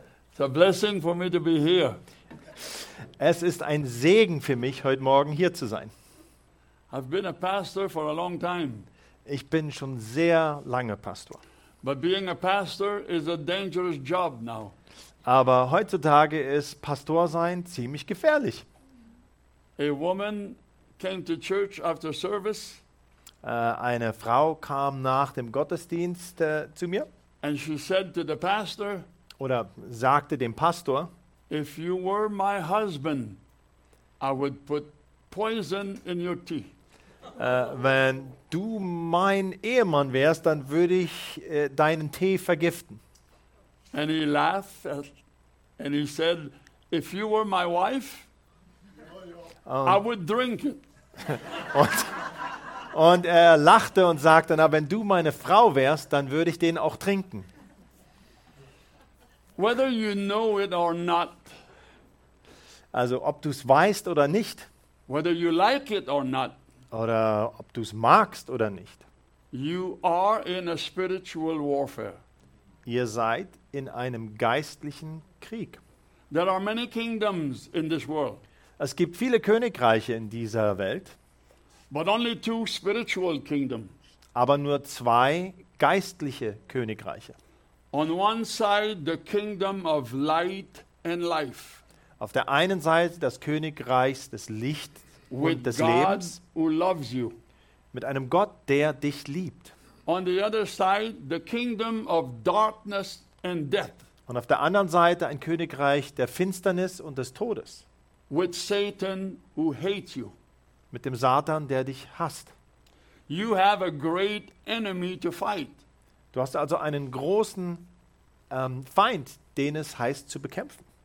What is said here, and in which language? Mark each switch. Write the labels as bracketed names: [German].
[English] It's a blessing for me to be here. [German] Es ist ein Segen für mich, heute Morgen hier zu sein. [English] I've been a pastor for a long time. [German] Ich bin schon sehr lange Pastor. [English] But being a pastor is a dangerous job now. [German] Aber heutzutage ist Pastor sein ziemlich gefährlich. [English] A woman came to church after service. [German] Eine Frau kam nach dem Gottesdienst zu mir. [English] And she said to the pastor, [German] oder sagte dem Pastor, [English] if you were my husband, I would put poison in your tea. [German] Wenn du mein Ehemann wärst, dann würde ich deinen Tee vergiften. [English] And he laughed and he said, if you were my wife, I would drink it. [German] Und er lachte und sagte, na, wenn du meine Frau wärst, dann würde ich den auch trinken. [English] Whether you know it or not. [German] Also, ob du es weißt oder nicht. [English] Whether you like it or not. [German] Oder ob du es magst oder nicht. [English] You are in a spiritual warfare. [German] Ihr seid in einem geistlichen Krieg. [English] There are many kingdoms in this world. [German] Es gibt viele Königreiche in dieser Welt. [English] But only two spiritual kingdoms. [German] Aber nur zwei geistliche Königreiche. [English] On one side the kingdom of light and life. [German] Auf der einen Seite das Königreich des Lichts und des Lebens. [English] Who loves you. [German] Mit einem Gott, der dich liebt. [English] On the other side the kingdom of darkness and death. [German] Und auf der anderen Seite ein Königreich der Finsternis und des Todes. [English] With Satan who hates you. [German] Mit dem Satan, der dich hasst. [English] You have a great enemy to fight. [German] Du hast also einen großen Feind, den es heißt zu bekämpfen.